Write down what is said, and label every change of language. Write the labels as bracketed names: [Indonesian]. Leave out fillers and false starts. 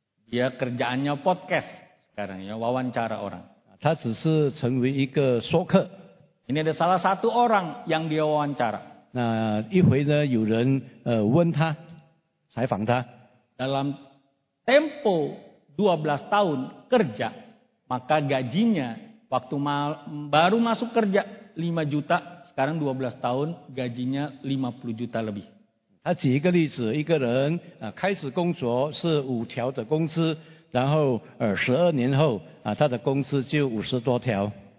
[Indonesian] Dia kerjaannya podcast sekarang ya, wawancara orang. [Chinese] 他只是成为一个说客。 [Indonesian] Ini ada salah satu orang yang dia wawancara. [Chinese] Nah, 一回呢, 有人, 问他, 采访他, [Indonesian] dalam tempo 12 tahun kerja, maka gajinya waktu baru masuk kerja 5 juta, sekarang 12 tahun gajinya 50 juta lebih. [Chinese] 他举一个例子，一个人, 开始工作是5条的工资, 然后, 12年后, 他的工资就50多条。